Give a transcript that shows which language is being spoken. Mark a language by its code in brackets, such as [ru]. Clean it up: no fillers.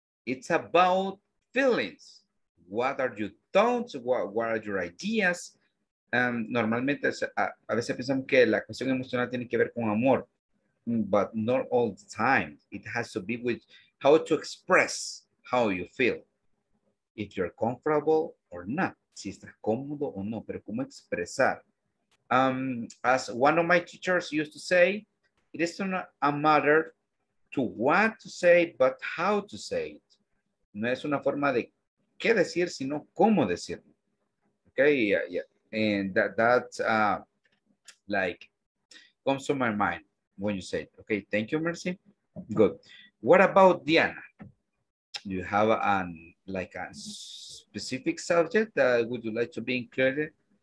[en] It's about feelings. What are your thoughts? What are your ideas? [es] Normalmente, a veces pensamos que la cuestión emocional tiene que ver con amor, [en] but not all the time. It has to be with how to express how you feel. If you're comfortable or not. [es] Si estás cómodo o no, pero cómo expresar. [en] As one of my teachers used to say, it is not a matter to what to say, but how to say it. [es] No es una forma de qué decir, sino cómo decirlo. [en] Okay, And that comes to my mind when you say it. Okay, thank you, Mercy. Good. What about Diana? Do you have a specific subject that would you like to be included?